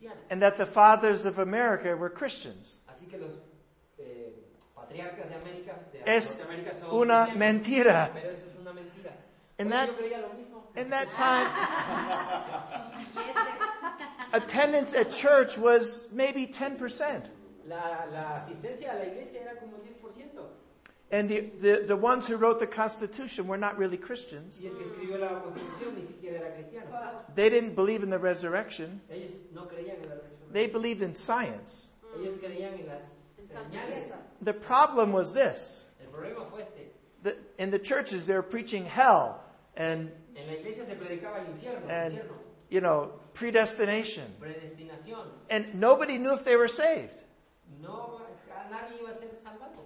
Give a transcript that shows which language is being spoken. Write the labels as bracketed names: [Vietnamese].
[English] And that the fathers of America were Christians. [Spanish] Así que los, patriarcas de América, de es una mentira. [English] In that time, attendance at church was maybe 10%. [Spanish] La asistencia a la iglesia era como 10%. [English] And the ones who wrote the Constitution were not really Christians. [Spanish] Y el que escribió la Constitución ni siquiera era cristiano. [English] They didn't believe in the resurrection. [Spanish] Ellos no creían en la resurrección. [English] They believed in science. [Spanish] Ellos creían en las señales. [English] The problem was this. [Spanish] El problema fue este. [English] In the churches, they were preaching hell and, [Spanish] en la iglesia se predicaba el infierno, and infierno. [English] You know, predestination. [Spanish] Predestinación. [English] And nobody knew if they were saved. [Spanish] No, nadie iba a ser salvado.